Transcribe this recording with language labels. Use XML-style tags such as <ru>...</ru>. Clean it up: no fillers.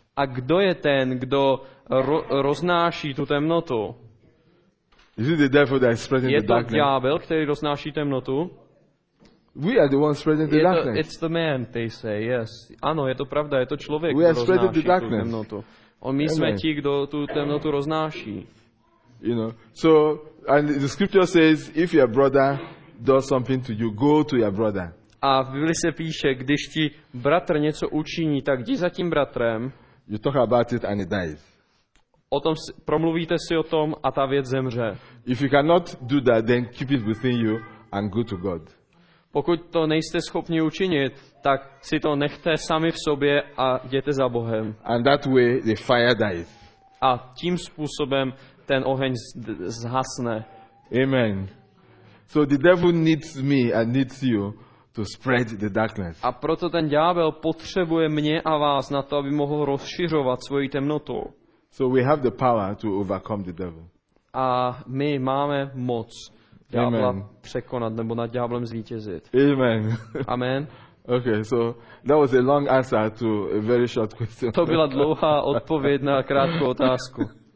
<cs>A kdo je ten, kdo roznáší tu temnotu?</cs> <en>Is it the devil that is spreading</en> <cs>je</cs> <en>the darkness?</en> <cs>Je to ďábel, který roznáší temnotu?</cs> <en>We are the ones spreading the darkness. It's the man, they say, yes.</en> <cs>Ano, je to pravda, je to člověk, kdo roznáší tu temnotu. My jsme ti, kdo tu temnotu roznáší.</cs> <en>You know, so, and the scripture says, if your brother does something to you, go to your brother.</en> <cs>A v Biblii se píše, když ti bratr něco učiní, tak jdi za tím bratrem.</cs> <en>You talk about it and it dies.</en> <cs>O tom promluvíte si o tom a ta věc zemře.</cs> <en>If you cannot do that, then keep it within you and go to God.</en> <cs>Pokud to nejste schopni učinit, tak si to nechte sami v sobě a jděte za Bohem.</cs> <en>And that way the fire dies.</en> <cs>A tím způsobem ten oheň zhasne.</cs> <en>Amen. So the devil needs me and needs you to spread the darkness.</en> <cs>A proto ten ďábel potřebuje mě a vás na to, aby mohl rozšiřovat svoji temnotu.</cs> <en>So we have the power to overcome the devil.</en> <cs>A my máme moc ďábla překonat nebo nad ďáblem zvítězit.</cs> <en>Amen. Amen. Okay, so that was a long answer to a very short question.</en> <cs>To byla dlouhá odpověď na krátkou otázku.</cs>